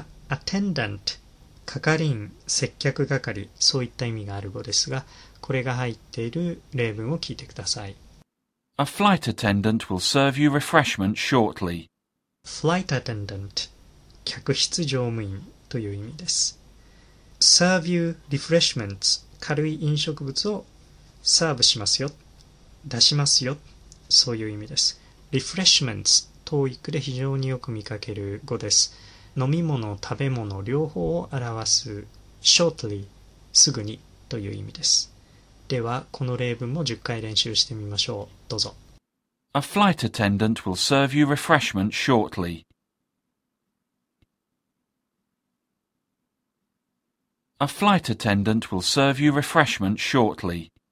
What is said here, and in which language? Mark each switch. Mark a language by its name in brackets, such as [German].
[Japanese] Attendant, 係員、接客係、そういった意味がある語ですが、これが入っている例文を聞いてください。 [English] A flight attendant will serve you refreshment shortly. Flight attendant, [Japanese] 客室乗務員という意味です。 [English] Serve you refreshments, [Japanese] 軽い飲食物をサーブしますよ、出しますよ、そういう意味です。 Refreshments, TOEIC で非常によく見かける語です。飲み物、食べ物、両方を表す shortly, すぐにという意味です。では、この例文も10回練習してみましょう。どうぞ。 [English] A flight attendant will serve you refreshment shortly. A flight attendant will serve you refreshment shortly.